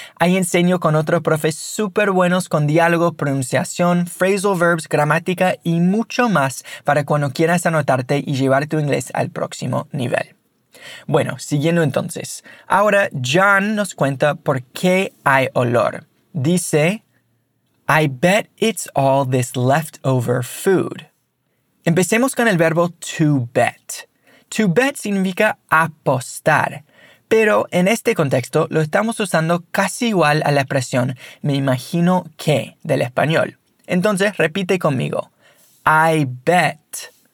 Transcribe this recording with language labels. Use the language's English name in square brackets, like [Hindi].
[Spanish] Ahí enseño con otros profes super buenos con diálogo, pronunciación, phrasal verbs, gramática y mucho más para cuando quieras anotarte y llevar tu inglés al próximo nivel. Bueno, siguiendo entonces. Ahora John nos cuenta por qué hay olor. [English] Dice, I bet it's all this leftover food. [Spanish] Empecemos con el verbo to bet. To bet significa apostar, pero en este contexto lo estamos usando casi igual a la expresión me imagino que del español. Entonces repite conmigo. [English] I bet.